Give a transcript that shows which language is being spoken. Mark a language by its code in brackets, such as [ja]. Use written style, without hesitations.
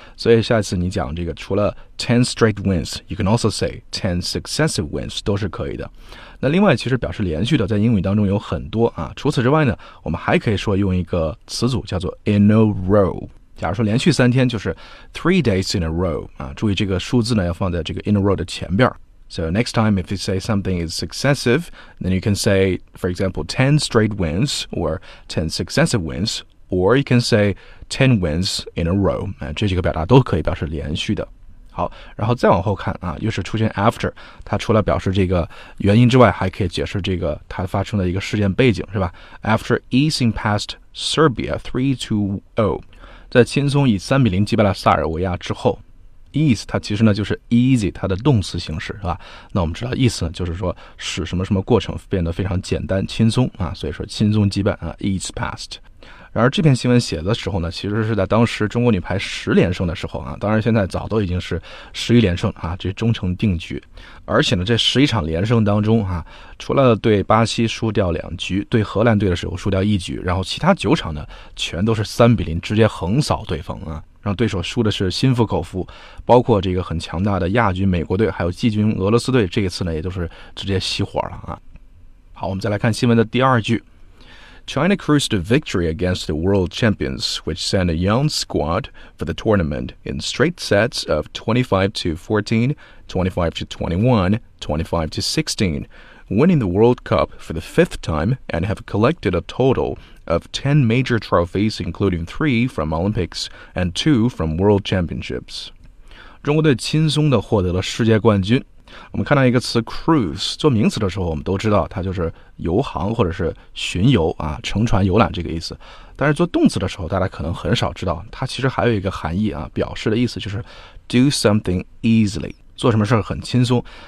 [zh] 所以下一次你讲这个除了 [en] 10 straight wins, you can also say 10 successive wins [zh] 都是可以的。那另外其实表示连续的在英语当中有很多啊，除此之外呢我们还可以说用一个词组叫做 in a row。假如说连续三天就是 [en] 3 days in a row, [zh] 注意这个数字呢要放在这个 in a row 的前边。 [en] So next time if you say something is successive, then you can say, for example, 10 straight wins or 10 successive wins, or you can say 10 wins in a row, [zh] 这几个表达都可以表示连续的。好，然后再往后看啊，又是出现 after， 它除了表示这个原因之外，还可以解释这个它发生的一个事件背景，是吧？ [en] After easing past Serbia 3-0， [zh] 在轻松以3-0击败了塞尔维亚之后。 Ease 它其实呢就是 easy， 它的动词形式，是吧？那我们知道意思呢就是说使什么什么过程变得非常简单轻松啊，所以说轻松击败啊 ，ease past。然而这篇新闻写的时候呢，其实是在当时中国女排10连胜的时候啊，当然现在早都已经是11连胜啊，这终成定局。而且呢，这11场连胜当中啊，除了对巴西输掉2局，对荷兰队的时候输掉1局，然后其他9场呢，全都是3-0直接横扫对方啊。让对手输的是心服口服，包括这个很强大的亚军美国队，还有季军俄罗斯队，这一次呢也都是直接熄火了啊。好，我们再来看新闻的第二句 [en] ：China cruised a victory against the world champions, which sent a young squad for the tournament in straight sets of 25-14, 25-21, 25-16, winning the World Cup for the 5th time and have collected a total of 10 major trophies, including 3 from Olympics and 2 from World Championships. [zh] 中国队轻松地获得了世界冠军。我们看到一个词 cruise， 做名词的时候我们都知道它就是游航或者是巡游啊，乘船游览这个意思。但是做动词的时候大家可能很少知道它其实还有一个含义啊，表示的意思就是 [en] do something easily， [zh] 做什么事很轻松。